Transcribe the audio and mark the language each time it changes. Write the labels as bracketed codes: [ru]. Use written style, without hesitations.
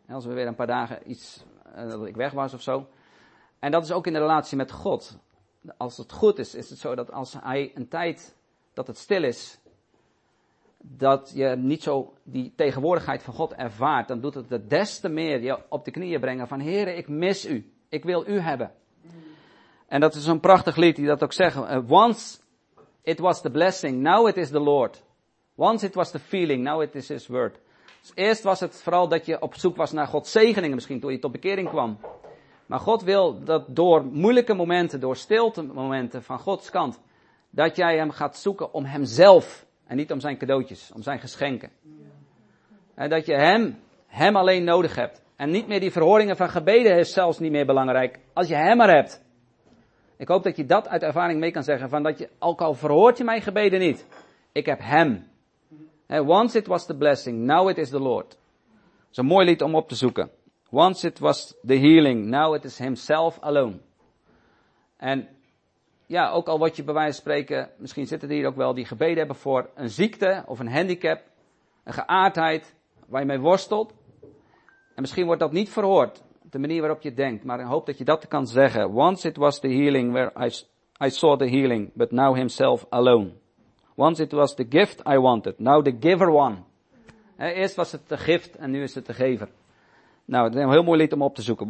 [nl] Als we weer een paar dagen iets, dat ik weg was of zo. En dat is ook in de relatie met God. Als het goed is, is het zo dat als hij een tijd dat het stil is, dat je niet zo die tegenwoordigheid van God ervaart, dan doet het er des te meer je op de knieën brengen van, Heere, ik mis u. Ik wil u hebben. En dat is zo'n prachtig lied die dat ook zegt. [en] Once it was the blessing, now it is the Lord. Once it was the feeling, now it is his word. [nl] Dus eerst was het vooral dat je op zoek was naar Gods zegeningen misschien, toen je tot bekering kwam. Maar God wil dat door moeilijke momenten, door stilte momenten van Gods kant, dat jij hem gaat zoeken om hemzelf en niet om zijn cadeautjes, om zijn geschenken. En dat je hem alleen nodig hebt. En niet meer die verhoringen van gebeden is zelfs niet meer belangrijk, als je hem maar hebt. Ik hoop dat je dat uit ervaring mee kan zeggen, van dat je, ook al verhoort je mijn gebeden niet, ik heb hem. [en] Once it was the blessing, now it is the Lord. [nl] Dat is een mooi lied om op te zoeken. [en] Once it was the healing, now it is himself alone. [nl] En ja, ook al wat je bij wijze van spreken, misschien zitten er hier ook wel die gebeden hebben voor een ziekte of een handicap, een geaardheid waar je mee worstelt. En misschien wordt dat niet verhoord, de manier waarop je denkt, maar ik hoop dat je dat kan zeggen. [en] Once it was the healing where I saw the healing, but now himself alone. Once it was the gift I wanted, now the giver one. [nl] Eerst was het de gift en nu is het de gever. Nou, het is een heel mooi lied om op te zoeken.